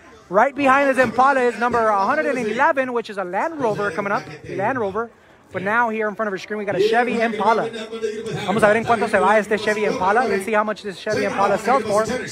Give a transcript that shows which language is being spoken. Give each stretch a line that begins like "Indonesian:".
English: Right behind this Impala is number 111, which is a Land Rover coming up. Land Rover. But now here in front of your screen, we got a Chevy Impala.
Spanish: Vamos a ver en cuánto se va este Chevy Impala.
English: Let's see how much this Chevy Impala sells for.